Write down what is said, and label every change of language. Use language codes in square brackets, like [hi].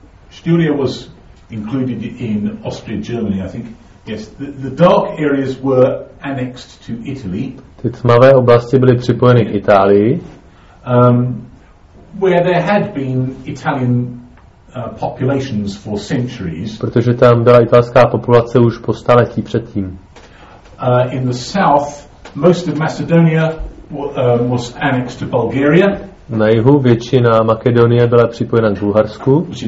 [en] Styria was included in Austria, Germany, I think. Yes, the dark areas were annexed to Italy. [cs] Ty tmavé oblasti byly připojeny k Itálii. [en] Where there had been Italian populations for centuries. [cs] Protože tam byla italská populace už po staletí předtím. [en] In the south, most of Macedonia was annexed to Bulgaria. [cs] Na jihu většina Makedonie byla připojena k Bulharsku.